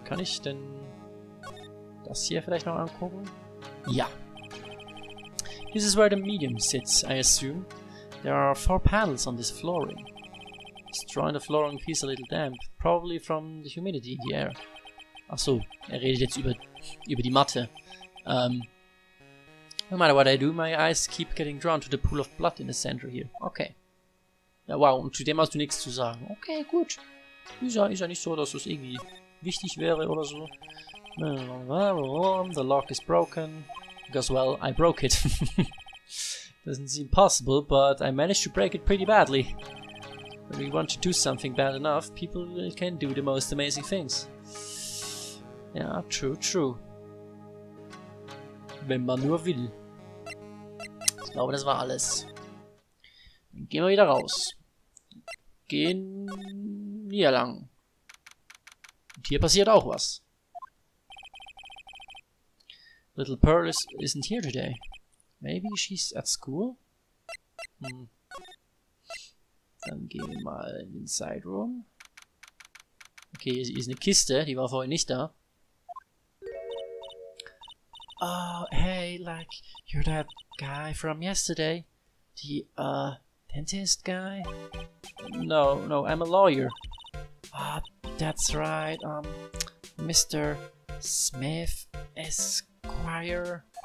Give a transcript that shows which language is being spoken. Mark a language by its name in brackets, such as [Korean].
[German] Kann ich denn das hier vielleicht noch angucken? Ja. [English] This is where the medium sits, I assume. There are 4 panels on this flooring. Destroying the flooring feels a little damp, probably from the humidity in the air. [German] Achso, er redet jetzt über die Matte. [English] No matter what I do, my eyes keep getting drawn to the pool of blood in the center here. Okay. [German] Ja, wow, und zu dem hast du nichts zu sagen. Okay, gut. Ist ja nicht so, dass das irgendwie wichtig wäre oder so. [English] The lock is broken. Because, well, I broke it. Doesn't seem possible, but I managed to break it pretty badly. When we want to do something bad enough, people can do the most amazing things. Yeah, true, true. [German] Wenn man nur will. Ich glaube, das war alles. Dann gehen wir wieder raus. Gehen hier lang. Und hier passiert auch was. [English] Little Pearl isn't here today. Maybe she's at school? [German] Dann gehen wir mal in den Side Room. Okay, hier ist eine Kiste, die war vorhin nicht da. [English] Oh, hey, like, you're that guy from yesterday. The, dentist guy? No, I'm a lawyer. Ah, that's right, Mr. Smith Esquire.